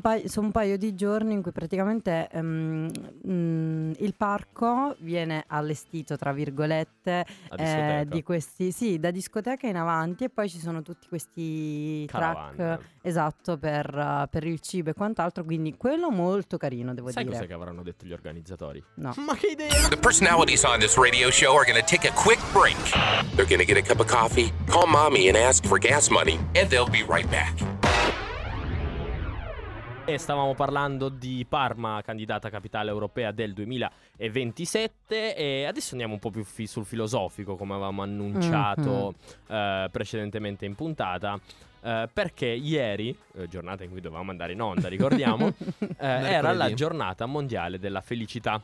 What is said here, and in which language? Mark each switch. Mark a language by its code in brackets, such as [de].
[it] Sono un paio di giorni in cui praticamente il parco viene allestito, tra virgolette, di questi, sì, da discoteca in avanti, e poi ci sono tutti questi track, esatto, per il cibo e quant'altro, quindi quello molto carino, devo dire. Sai cosa che avranno detto gli organizzatori? No. Ma che idea! [en] The personalities on this radio show are gonna take a quick break. They're gonna get a cup of coffee, call mommy and ask for gas money, and they'll be right back. [it] E stavamo parlando di Parma, candidata capitale europea del 2027, e adesso andiamo un po' più sul filosofico, come avevamo annunciato precedentemente in puntata, perché ieri, giornata in cui dovevamo andare in onda, ricordiamo, era la giornata mondiale della felicità.